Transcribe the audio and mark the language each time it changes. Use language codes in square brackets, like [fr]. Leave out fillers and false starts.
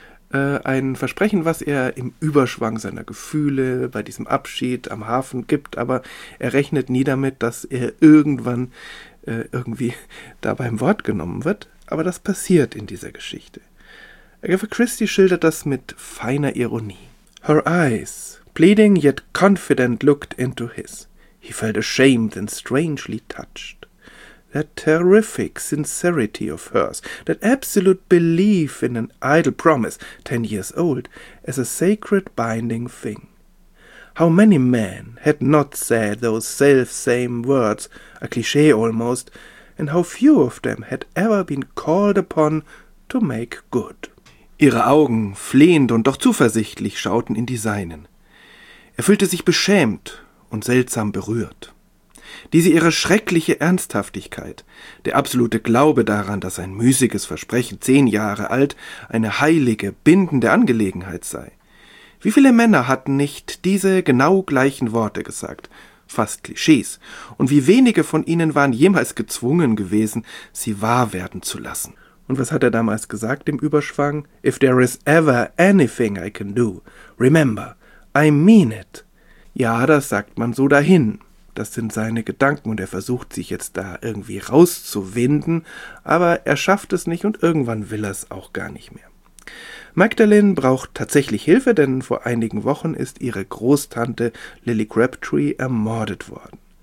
[de] Ein Versprechen, was er im Überschwang seiner Gefühle bei diesem Abschied am Hafen gibt, aber er rechnet nie damit, dass er irgendwann irgendwie da beim Wort genommen wird. Aber das passiert in dieser Geschichte. Agatha Christie schildert das mit feiner Ironie. [en] Her eyes, pleading yet confident, looked into his. He felt ashamed and strangely touched. That terrific sincerity of hers, that absolute belief in an idle promise, 10 years old, as a sacred binding thing. How many men had not said those self-same words, a cliché almost, and how few of them had ever been called upon to make good. [de] Ihre Augen, flehend und doch zuversichtlich, schauten in die seinen. Er fühlte sich beschämt und seltsam berührt. Diese ihre schreckliche Ernsthaftigkeit, der absolute Glaube daran, dass ein müßiges Versprechen 10 Jahre alt eine heilige, bindende Angelegenheit sei. Wie viele Männer hatten nicht diese genau gleichen Worte gesagt, fast Klischees, und wie wenige von ihnen waren jemals gezwungen gewesen, sie wahr werden zu lassen. Und was hat er damals gesagt im Überschwang? [en] If there is ever anything I can do, remember, I mean it. [de] Ja, das sagt man so dahin. Das sind seine Gedanken und er versucht, sich jetzt da irgendwie rauszuwinden, aber er schafft es nicht und irgendwann will er es auch gar nicht mehr. Magdalene braucht tatsächlich Hilfe, denn vor einigen Wochen ist ihre Großtante Lily Crabtree ermordet worden.